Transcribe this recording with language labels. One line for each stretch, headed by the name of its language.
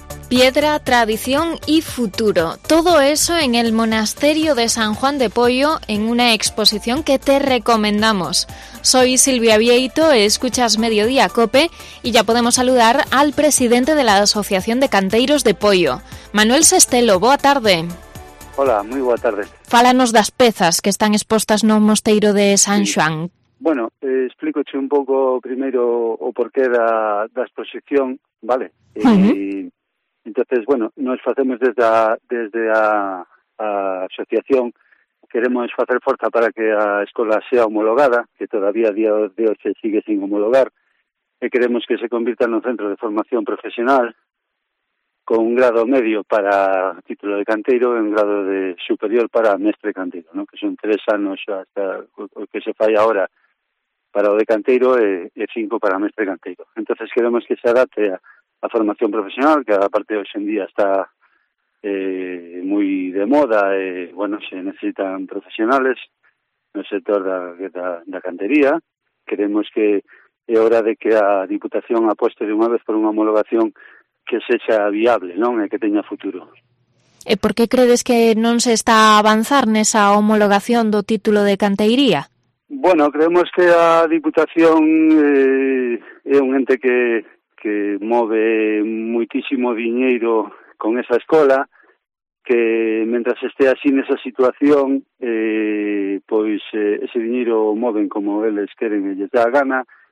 Spanish: Piedra, tradición y futuro. Todo eso en el Monasterio de San Juan de Poyo, en una exposición que te recomendamos. Soy Silvia Vieito, escuchas Mediodía COPE y ya podemos saludar al presidente de la Asociación de Canteiros de Poyo, Manuel Sestelo.
Galician: Boa tarde. Hola, muy boa tarde. Fálanos das pezas que están expostas no Mosteiro de San Xoán. Bueno, explícoche un pouco primeiro o porqué da exposición, vale? Entonces, bueno, nos facemos desde a asociación, queremos facer forza para que a escola sea homologada, que todavía a día de hoxe sigue sin homologar, e queremos que se convirta en un centro de formación profesional con un grado medio para título de canteiro e un grado de superior para mestre canteiro, ¿no? Que son 3 anos hasta o que se fai ahora para o de canteiro e 5 para mestre canteiro. Entonces queremos que se adapte a formación profesional, que aparte hoxe en día está moi de moda, bueno, se necesitan profesionales no sector da cantería. Queremos que é hora de que a Diputación aposte de unha vez por unha homologación que sexa viable, non? E que teña futuro. E por que credes que non se está a avanzar nesa homologación do título de canteiría? Bueno, creemos que a Diputación é un ente que move muitísimo diñeiro con esa escola, que mentras este así nesa situación, pois ese diñeiro moven como eles queren e lles dá a gana.